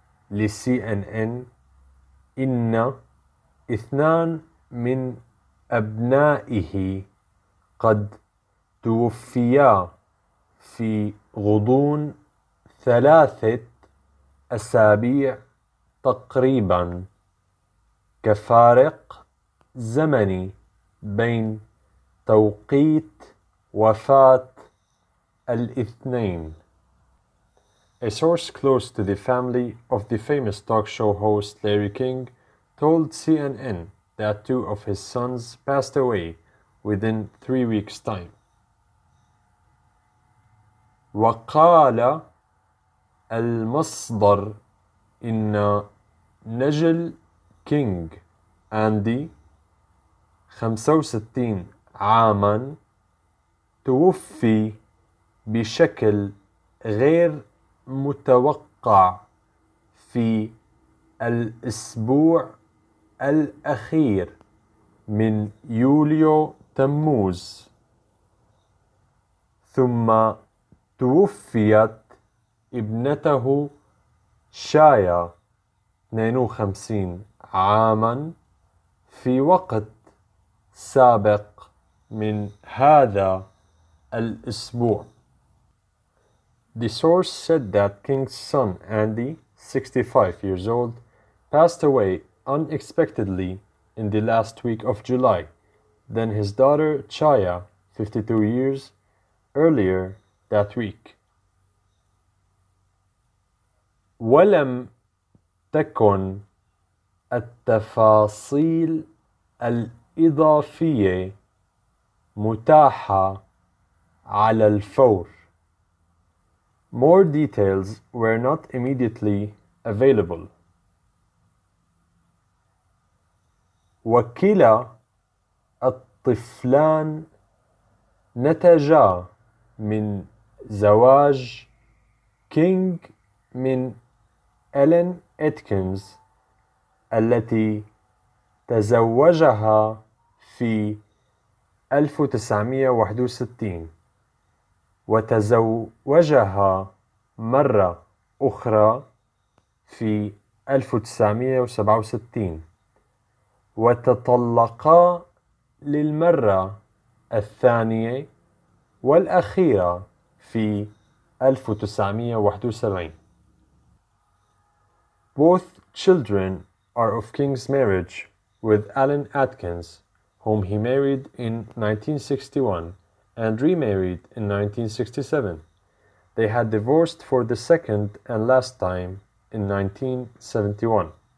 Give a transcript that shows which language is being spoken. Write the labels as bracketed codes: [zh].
[ar] لسي ان ان إن 2 من أبنائه قد توفيا في غضون 3 أسابيع تقريبا كفارق زمني بين توقيت وفاة الاثنين. [en] A source close to the family of the famous talk show host Larry King told CNN that 2 of his sons passed away within 3 weeks' time. [ar] وقال المصدر إن نجل كينغ أندي 65 عاما توفي بشكل غير متوقع في الأسبوع الأخير من يوليو تموز، ثم توفيت ابنته شايا 52 عاما في وقت سابق من هذا الأسبوع. [en] The source said that King's son Andy, 65 years old, passed away unexpectedly in the last week of July. Then his daughter Chaya, 52 years, earlier that week. [ar] ولم تكن التفاصيل الإضافية متاحة على الفور. [en] More details were not immediately available. [ar] وكلا الطفلان نتجا من زواج كينغ من إلين إتكنز التي تزوجها في 1961 وتزوجها مرة أخرى في 1967 وتطلقا للمرة الثانية والأخيرة في 1971. [en] Both children are of King's marriage with Alan Atkins, whom he married in 1961 and remarried in 1967. They had divorced for the second and last time in 1971.